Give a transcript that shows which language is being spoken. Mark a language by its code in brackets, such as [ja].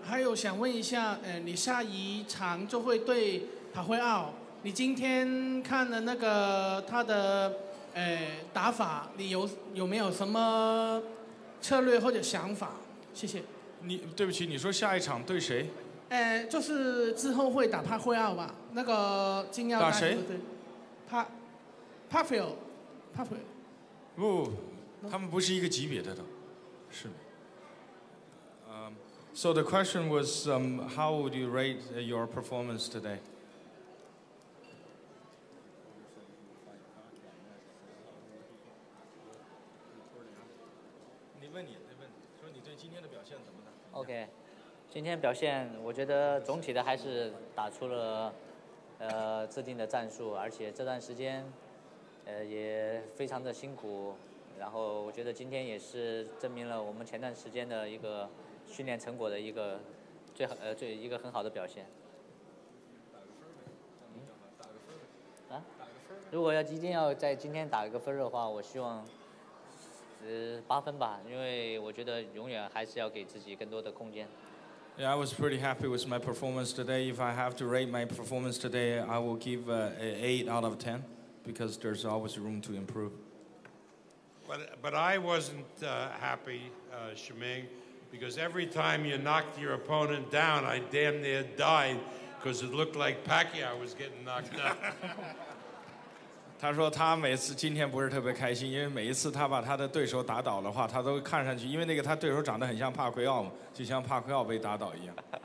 [zh] 还有想问一下，你下一场就会对帕奎奥，你今天看了那个他的打法，你有没有什么策略或者想法？谢谢。你对不起，你说下一场对谁？就是之后会打帕奎奥吧，那个金腰带。打谁？帕菲奥。不，他们不是一个级别的都，是。 [en] So the question was, how would you rate your performance today? [zh] Okay, 今天表现我觉得总体的还是打出了制定的战术，而且这段时间也非常的辛苦，然后我觉得今天也是证明了我们前段时间的一个训练成果的一个最好最一个很好的表现。如果要一定要在今天打一个分的话，我希望八分吧，因为我觉得永远还是要给自己更多的空间。 [en] Yeah, I was pretty happy with my performance today. If I have to rate my performance today, I will give an 8 out of 10 because there's always room to improve. But I wasn't happy, Shiming. Because every time you knocked your opponent down, I damn near died because it looked like Pacquiao was getting knocked down. [zh] 他说他每次今天不是特别开心，因为每一次他把他的对手打倒的话，他都看上去，因为那个他对手长得很像帕奎奥嘛，就像帕奎奥被打倒一样。